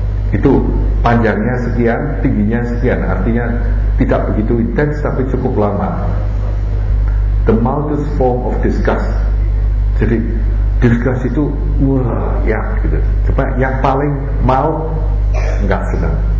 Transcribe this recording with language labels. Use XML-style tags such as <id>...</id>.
<id>Itu panjangnya sekian, tingginya sekian, artinya tidak begitu intens tapi cukup lama.</id> <en>The mildest form of disgust.</en> <id>Jadi disgust itu gitu. Coba yang paling mild, enggak senang.</id>